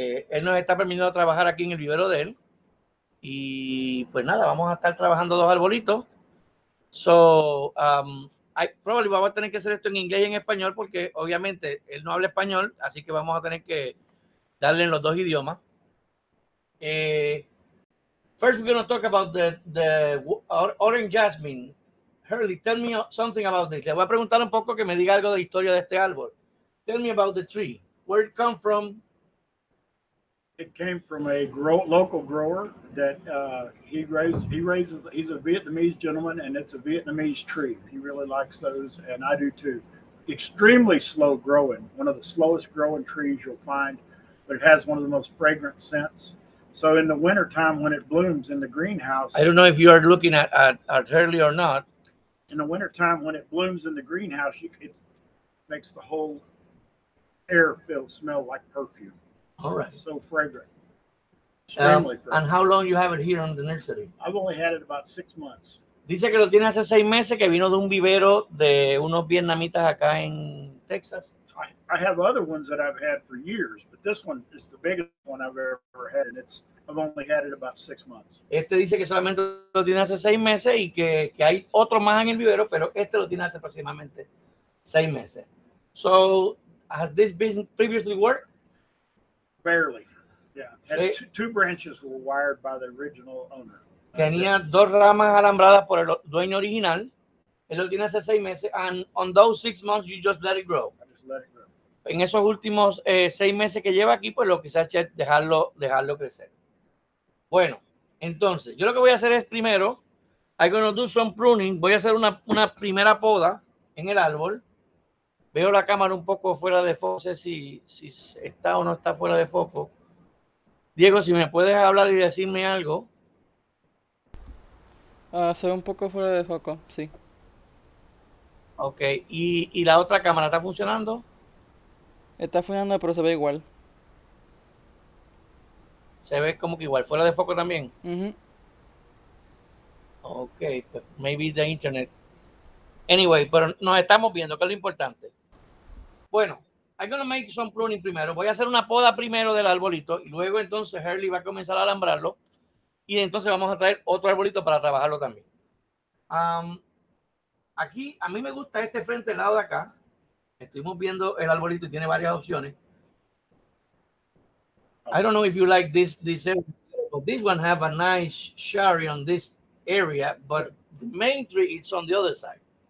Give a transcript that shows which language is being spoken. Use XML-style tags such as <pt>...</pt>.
<es>Él nos está permitiendo trabajar aquí en el vivero de él. Y pues nada, vamos a estar trabajando dos arbolitos. Probably vamos a tener que hacer esto en inglés y en español porque obviamente él no habla español, así que vamos a tener que darle en los dos idiomas.</es> <en>First we're going to talk about the Orange Jasmine.</en> <es>Hurley, tell me something about this. Le voy a preguntar un poco que me diga algo de la historia de este árbol. Tell me about the tree. Where it come from?</es> <en>It came from a local grower that he raises. He's a Vietnamese gentleman, and it's a Vietnamese tree. He really likes those, and I do too. Extremely slow growing, one of the slowest growing trees you'll find, but it has one of the most fragrant scents. So in the winter time, when it blooms in the greenhouse, I don't know if you are looking at Hurley or not. In the winter time, when it blooms in the greenhouse, it makes the whole air smell like perfume. All right. So fragrant. Extremely fragrant. And how long you have it here on the nursery? I've only had it about 6 months.</en> <es>Dice que lo tiene hace 6 meses, que vino de un vivero de unos vietnamitas acá en Texas.</es> <en>I have other ones that I've had for years, but this one is the biggest one I've ever had, and I've only had it about 6 months.</en> <es>Este dice que solamente lo tiene hace 6 meses y que hay otro más en el vivero, pero este lo tiene hace aproximadamente 6 meses.</es> <en>So, has this been previously worked? Barely, yeah. Sí. Two branches were wired by the original owner.</en> <es>Tenía dos ramas alambradas por el dueño original. Él lo tiene hace 6 meses.</es> <en>And on those 6 months, you just let it grow. I just let it grow.</en> <es>En esos últimos 6 meses que lleva aquí, pues lo que se ha hecho es dejarlo crecer. Bueno, entonces, yo lo que voy a hacer es primero, I'm going to do some pruning. Voy a hacer una primera poda en el árbol. Veo la cámara un poco fuera de foco, no sé si está o no está fuera de foco. Diego, si me puedes hablar y decirme algo. Se ve un poco fuera de foco, sí. Ok, ¿y la otra cámara está funcionando? Está funcionando, pero se ve igual. Se ve como que igual, fuera de foco también. Uh-huh.</es> <en>Ok, maybe the internet.</en> <es>Anyway, pero nos estamos viendo, que es lo importante.</es> <en>Bueno, I'm going to make some pruning primero.</en> <es>Voy a hacer una poda primero del arbolito y luego entonces Hurley va a comenzar a alambrarlo y entonces vamos a traer otro arbolito para trabajarlo también. Aquí, a mí me gusta este frente al lado de acá. Estuvimos viendo el arbolito y tiene varias opciones.</es> <en>I don't know if you like this area, but this one have a nice cherry on this area, but the main tree is on the other side.</en>